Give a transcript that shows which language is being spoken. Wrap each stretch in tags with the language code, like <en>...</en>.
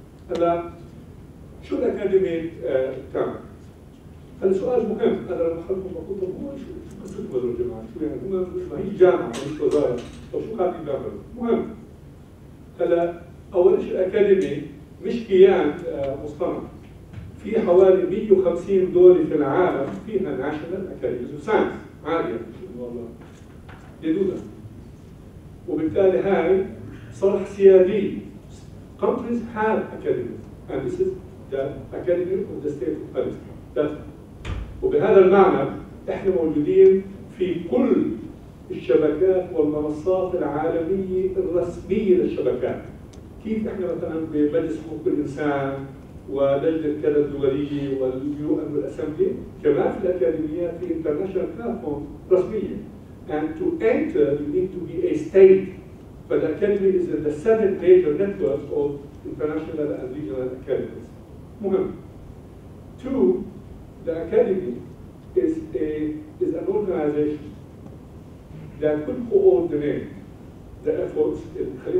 <ar>هلا شو الأكاديمية تعمل؟ هلا سؤال مهم، أنا لما حكيت بقول طب هو شو قصتهم هذول الجماعة؟ شو يعني هم ما هي جامعة مش وزارة، طب شو قاعدين بيعملوا؟ مهم. هلا أول شيء الأكاديمية مش كيان مصطنع. في حوالي 150 دولة في العالم فيها ناشونال أكاديميز أوف ساينس عالية ما شاء الله. يدودا.</ar> <en>وبالتالي هاي صرح سيادي. Companies have academies and this is the Academy of the State of Palestine.</en> <ar>That, وبهذا المعنى احنا موجودين في كل الشبكات والمنصات العالمية الرسمية للشبكات. كيف احنا مثلا بمجلس حقوق الإنسان ولجنة كذا الدولية واليو ان والأسمبلي كمان في الأكاديميات في انترناشونال بلاتفورم رسمية.</ar> <en>And to enter you need to be a state. But the Academy is in the seventh major network of international and regional academies.</en> <ar>مهم.</ar> <en>Two, the Academy is an organization that could coordinate the efforts in</en>